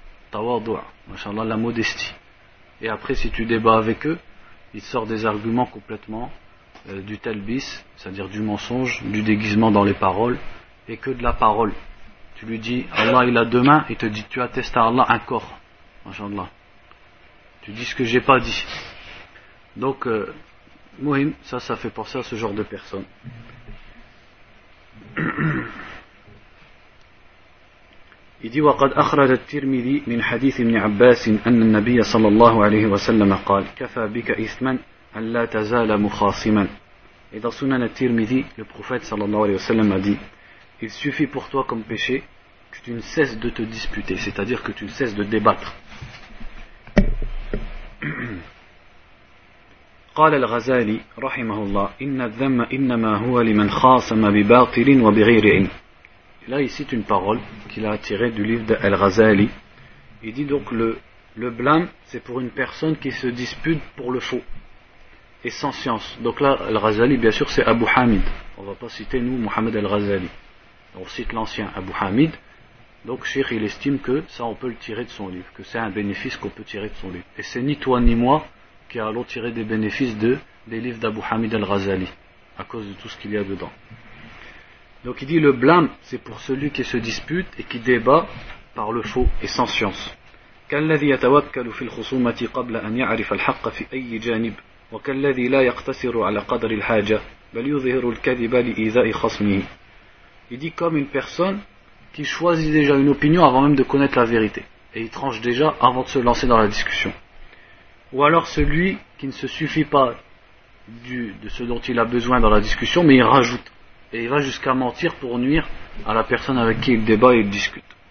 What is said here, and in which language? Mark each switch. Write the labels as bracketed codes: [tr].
[fr] Tawadu'a, masha'Allah, la modestie. Et après, si tu débats avec eux, ils sortent des arguments complètement du talbis, c'est-à-dire du mensonge, du déguisement dans les paroles, et que de la parole. Tu lui dis, Allah il a deux mains, il te dit, tu attestes à Allah un corps, masha'Allah. Tu dis ce que j'ai pas dit. Donc, Mohim, ça fait penser à ce genre de personnes. Il dit [ar] وقد أخرج الترمذي من حديث ابن عباس أن النبي صلى الله عليه وسلم قال كفى بك إثما أن لا تزال مخاصما. [fr] Et dans Sunan al-Tirmidhi, le prophète [ar] صلى الله عليه وسلم [fr] a dit, il suffit pour toi comme péché que tu ne cesses de te disputer, c'est-à-dire que tu ne cesses de débattre. [ar] قال الغزالي رحمه الله إن الذم إنما هو لمن خاصم بباطل وبغير علم. [fr] Là, il cite une parole qu'il a tirée du livre d'Al-Ghazali. Il dit donc, le blâme, c'est pour une personne qui se dispute pour le faux et sans science. Donc là, Al-Ghazali, bien sûr, c'est Abu Hamid. On ne va pas citer, nous, Mohamed Al-Ghazali. On cite l'ancien Abu Hamid. Donc, Cheikh, il estime que ça, on peut le tirer de son livre, que c'est un bénéfice qu'on peut tirer de son livre. Et c'est ni toi ni moi qui allons tirer des bénéfices des livres d'Abu Hamid Al-Ghazali, à cause de tout ce qu'il y a dedans. Donc il dit le blâme, c'est pour celui qui se dispute et qui débat par le faux et sans science. [ar] كالذي يتوكل في الخصومة قبل أن يعرف الحق في أي جانب وكالذي لا يقتصر على قدر الحاجة بل يظهر الكذب لإيذاء خصمه. [fr] Il dit comme une personne qui choisit déjà une opinion avant même de connaître la vérité et il tranche déjà avant de se lancer dans la discussion. Ou alors celui qui ne se suffit pas de ce dont il a besoin dans la discussion mais il rajoute. Et il va jusqu'à mentir pour nuire à la personne avec qui il débat et il discute.